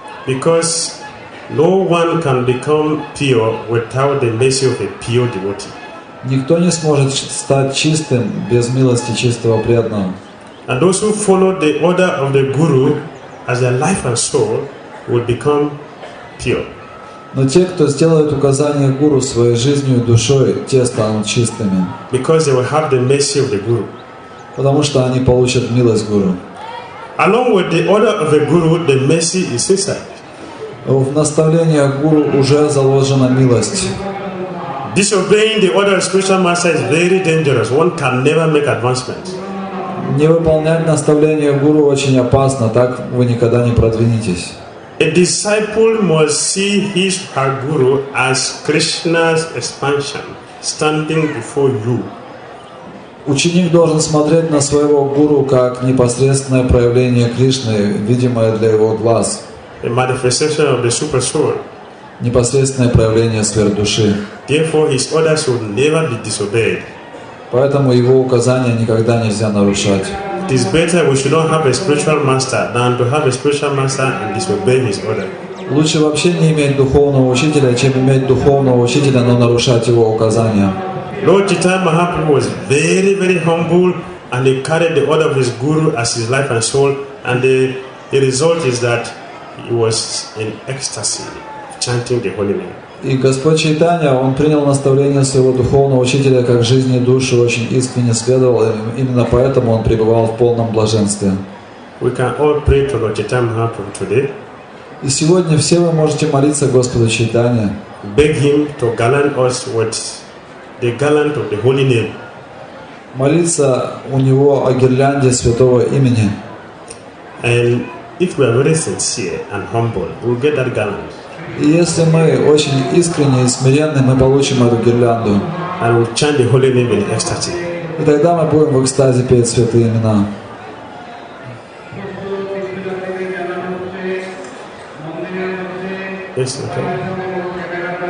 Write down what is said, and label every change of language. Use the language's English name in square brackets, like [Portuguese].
[English] Because no one can become pure without the mercy of a pure devotee. [Russian] Никто не сможет стать чистым без милости чистого преданного. [English] And those who follow the order of the guru as their life and soul will become pure. [Russian] Но те, кто сделают указание гуру своей жизнью и душой, те станут чистыми. [English] Because they will have the mercy of the guru. [Russian] Потому что они получат милость гуру. [English] Along with the order of the guru, the mercy is inside. [Russian] В наставлении гуру уже заложена милость. [English] Disobeying the order of spiritual master is very dangerous. One can never make advancement. [Russian] Не выполнять наставление гуру очень опасно, так вы никогда не продвинетесь. [English] A disciple must see his or her guru as Krishna's expansion standing before you. [Russian] Ученик должен смотреть на своего гуру как непосредственное проявление Кришны, видимое для его глаз. [English] A manifestation of the super soul. [Russian] Непосредственное проявление сверхдуши. [English] Therefore, his orders should never be disobeyed. [Russian] Поэтому его указания никогда нельзя нарушать. [English] It is better we should not have a spiritual master than to have a spiritual master and disobey his order. [Russian] Лучше вообще не иметь духовного учителя, чем иметь духовного учителя, но нарушать его указания. [English] Lord Chaitanya Mahaprabhu was very, very humble, and he carried the order of his guru as his life and soul. And the result is that he was in ecstasy, chanting the holy name. [Russian] И Господь Чайтанья, он принял наставление своего духовного учителя как жизнь и душу, очень искренне следовал, и именно поэтому он пребывал в полном блаженстве. [English] We can all pray to Lord Chaitanya Mahaprabhu today. [Russian] И сегодня все вы можете молиться Господу Чайтанье. [English] Beg him to gallant us with the gallant of the holy name. [Russian] Молиться у него о гирлянде святого имени. [English] And if we are very sincere and humble, we will get that gallant. [Russian] И если мы очень искренне и смиренны, мы получим эту гирлянду. [English] And we'll chant the holy name in ecstasy. [Russian] И тогда мы будем в экстазе петь святые имена. [English] Yes, okay.